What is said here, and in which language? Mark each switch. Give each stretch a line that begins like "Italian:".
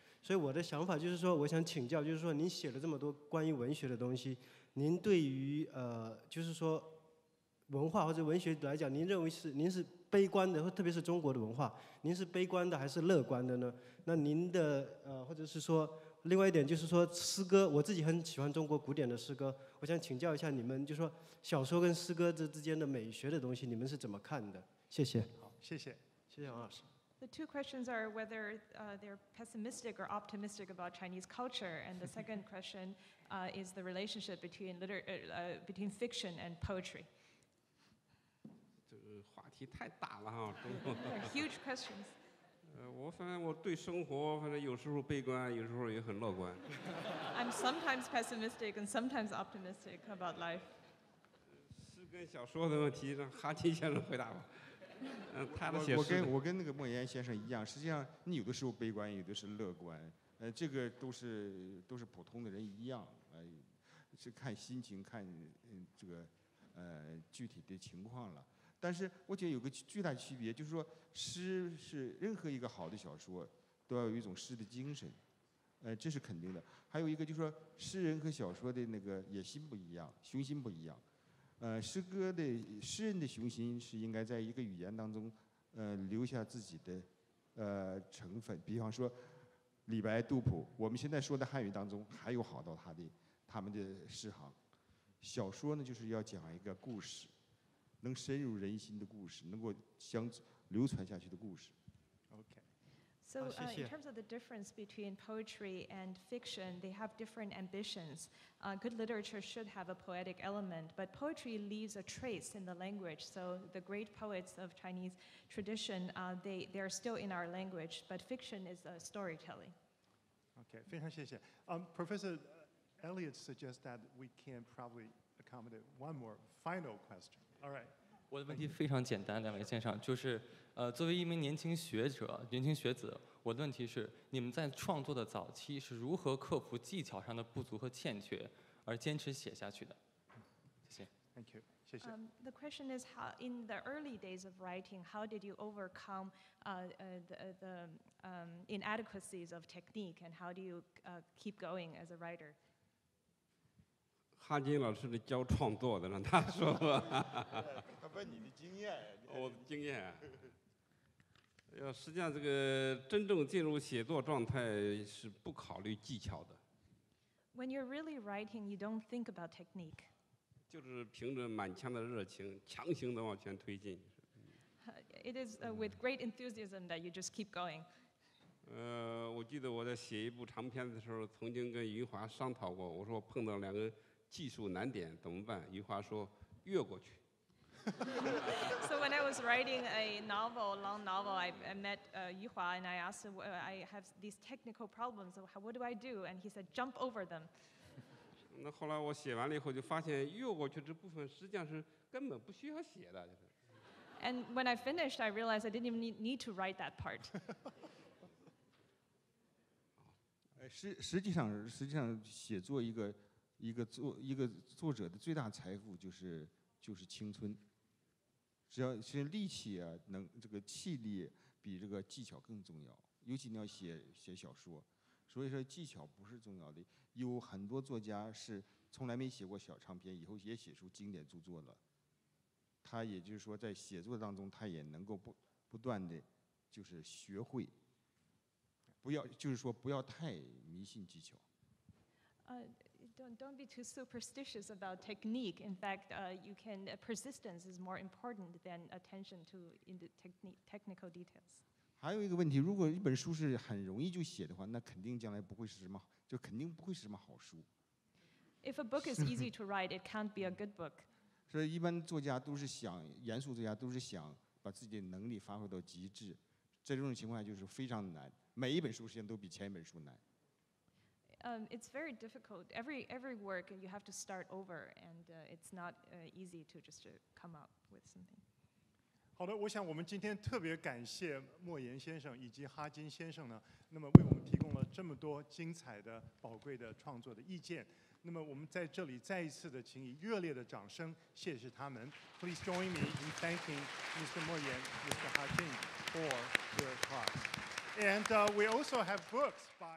Chinese: 所以我的想法就是说，我想请教，就是说您写了这么多关于文学的东西，您对于就是说文化或者文学来讲，您认为您是悲观的，或特别是中国的文化，您是悲观的还是乐观的呢？那您的或者是说另外一点就是说诗歌，我自己很喜欢中国古典的诗歌，我想请教一下你们，就是说小说跟诗歌之间的美学的东西，你们是怎么看的？谢谢。好，谢谢，谢王老师。
English: The two questions are whether they're pessimistic or optimistic about Chinese culture, and the second question is the relationship between between fiction and poetry.
Chinese: 这个话题太大了哈，中国。
English: They're huge questions.
Chinese: 我反正我对生活，反正有时候悲观，有时候也很乐观。
English: I'm sometimes pessimistic and sometimes optimistic about life.
Chinese: 诗跟小说的问题，让哈金先生回答吧。他的写诗的 我跟那个莫言先生一样，实际上你有的时候悲观，有的是乐观，这个都是普通的人一样，是看心情，看这个具体的情况了。但是我觉得有个巨大区别，就是说诗是任何一个好的小说都要有一种诗的精神，这是肯定的。还有一个就是说诗人和小说的那个野心不一样，雄心不一样。诗歌的诗人的雄心是应该在一个语言当中，留下自己的成分。比方说，李白、杜甫，我们现在说的汉语当中还有好多他们的诗行。小说呢，就是要讲一个故事，能深入人心的故事，能够相流传下去的故事。
English: Okay. So in terms of the difference between poetry and fiction, they have different ambitions. Good literature should have a poetic element, but poetry leaves a trace in the language. So the great poets of Chinese tradition, they are still in our language, but fiction is a storytelling. Okay,
Chinese: 非常谢谢。
English: Professor Elliott suggests that we can probably accommodate one more final question. All right.
Chinese: 我的问题非常简单，两位先生，就是，作为一名年轻学者、年轻学子，我的问题是：你们在创作的早期是如何克服技巧上的不足和欠缺，而坚持写下去的？谢谢。
English: Thank you.
Chinese: 谢谢。
English: The question is how in the early days of writing, how did you overcome the inadequacies of technique, and how do you keep going as a writer?
Chinese: 哈金老师是教创作的，让他说吧。问你的经验，我的经验，要实际上这个真正进入写作状态是不考虑技巧的。
English: When you're really writing, you don't think about technique.
Chinese: 就是凭着满腔的热情，强行的往前推进。
English: It is with great enthusiasm that you just keep going.
Chinese: 我记得我在写一部长篇的时候，曾经跟余华商讨过，我说碰到两个技术难点怎么办？余华说越过去。
English: So when I was writing a novel, long novel, I met Yu Hua and I asked him, I have these technical problems, so what do I do? And he said, jump over them.
Chinese: 那后来我写完了以后就发现越过去这部分实际上是根本不需要写的。
English: And when I finished, I realized I didn't even need to write that part.
Chinese: 实际上写作一个作者的最大财富就是青春，只要是力气啊，能这个气力比这个技巧更重要，尤其你要写小说，所以说技巧不是重要的。有很多作家是从来没写过小长篇，以后也写出经典著作了。他也就是说，在写作当中，他也能够不断的，就是学会，不要就是说不要太迷信技巧。
English: Don't be too superstitious about technique. In fact, you can persistence is more important than attention to in the technical details.
Chinese: 还有一个问题，如果一本书是很容易就写的话，那肯定将来不会是什么，就肯定不会是什么好书。
English: If a book is easy to write, it can't be a good book.
Chinese: 所以一般作家都是想，严肃作家都是想把自己的能力发挥到极致。这种情况下就是非常难，每一本书实际上都比前一本书难。
English: It's very difficult. Every work, you have to start over, and it's not easy to just to come up with something.
Chinese: 好的，我想我们今天特别感谢莫言先生以及哈金先生呢，那么为我们提供了这么多精彩的、宝贵的创作的意见。那么我们在这里再一次的，请以热烈的掌声谢谢他们。
English: Please join me in thanking Mr. 莫言、Mr. 哈金 for their talks. And we also have books by